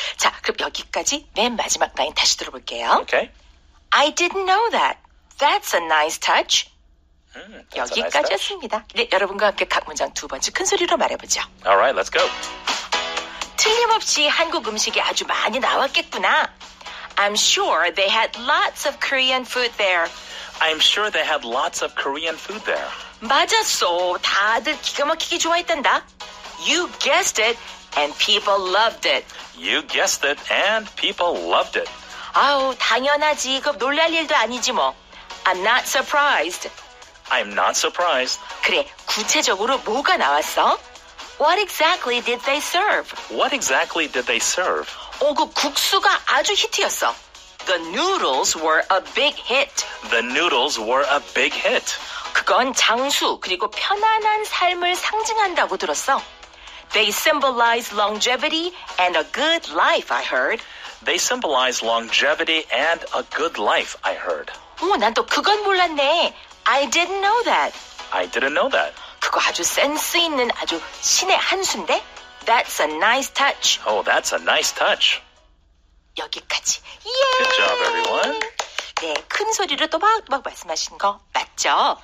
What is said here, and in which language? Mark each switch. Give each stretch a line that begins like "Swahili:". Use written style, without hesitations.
Korean: 자, 그럼 여기까지 맨 마지막 라인 다시 들어볼게요.
English: Okay. I didn't know that. That's a nice touch. That's
Korean: 여기까지였습니다.
English: Nice touch.
Korean: 네, 여러분과 함께 각 문장 두 번째 큰 소리로 말해보죠.
English: All right, let's go.
Korean: 틀림없이 한국 음식이 아주 많이 나왔겠구나.
English: I'm sure they had lots of Korean food there. I'm sure they had lots of Korean food there.
Korean: 맞았어. 다들 기가 막히게 좋아했단다.
English: You guessed it, and people loved it. You guessed it, and people loved it.
Korean: 아우, 당연하지. 이거 놀랄 일도 아니지 뭐.
English: I'm not surprised. I'm not surprised.
Korean: 그래, 구체적으로 뭐가 나왔어?
English: What exactly did they serve? What exactly did they serve?
Korean: 오, 그 국수가 아주 히트였어.
English: The noodles were a big hit. The noodles were a big hit.
Korean: 그건 장수, 그리고 편안한 삶을 상징한다고 들었어.
English: They symbolize longevity and a good life, I heard. They symbolize longevity and a good life, I heard.
Korean: 오, 난 또 그건 몰랐네.
English: I didn't know that. I didn't know that.
Korean: 그거 아주 센스 있는 아주 신의 한수인데?
English: That's a nice touch. Oh, that's a nice touch.
Korean: 여기까지. Yay!
English: Good job, everyone.
Korean: 네, 큰 소리로 또박또박 말씀하신 거 맞죠?